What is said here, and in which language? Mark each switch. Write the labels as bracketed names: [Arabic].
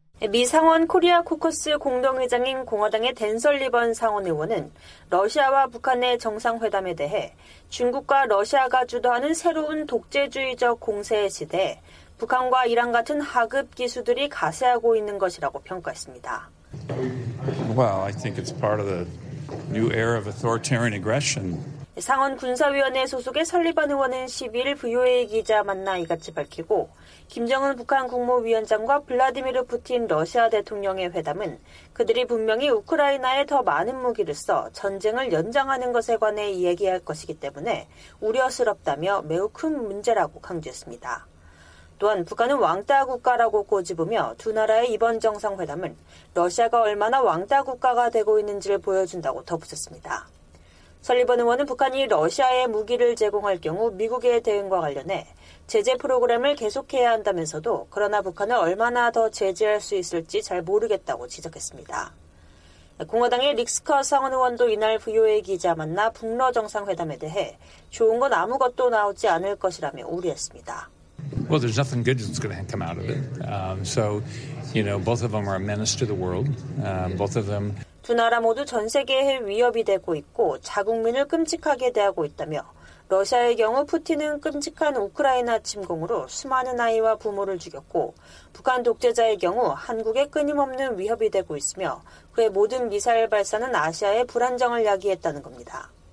[Korean] 미 상원 코리아 코커스 공동회장인 공화당의 댄 설리번 상원의원은 러시아와 북한의 정상회담에 대해 중국과 러시아가 주도하는 새로운 독재주의적 공세의 시대에 북한과 이란 같은 하급 기수들이 가세하고 있는 것이라고 평가했습니다. [English] Well, I think it's part of the new era of authoritarian aggression. [Korean] 상원 군사위원회 소속의 설리반 의원은 12일 VOA 기자 만나 이같이 밝히고 김정은 북한 국무위원장과 블라디미르 푸틴 러시아 대통령의 회담은 그들이 분명히 우크라이나에 더 많은 무기를 써 전쟁을 연장하는 것에 관해 이야기할 것이기 때문에 우려스럽다며 매우 큰 문제라고 강조했습니다. 또한 북한은 왕따 국가라고 꼬집으며 두 나라의 이번 정상회담은 러시아가 얼마나 왕따 국가가 되고 있는지를 보여준다고 덧붙였습니다. 설리번 의원은 북한이 러시아에 무기를 제공할 경우 미국의 대응과 관련해 제재 프로그램을 계속해야 한다면서도 그러나 북한을 얼마나 더 제재할 수 있을지 잘 모르겠다고 지적했습니다. 공화당의 릭스커 상원 의원도 이날 VOA 기자 만나 북러 정상회담에 대해 좋은 건 아무것도 나오지 않을 것이라며 우려했습니다. [English] Well, there's nothing good that's going to come out of it. So, you know, both of them are a menace to the world. Both of them. [Korean] 두 나라 모두 전 세계에 위협이 되고 있고 자국민을 끔찍하게 대하고 있다며 러시아의 경우 푸틴은 끔찍한 우크라이나 침공으로 수많은 아이와 부모를 죽였고 북한 독재자의 경우 한국에 끊임없는 위협이 되고 있으며 그의 모든 미사일 발사는 아시아의 불안정을 야기했다는 겁니다.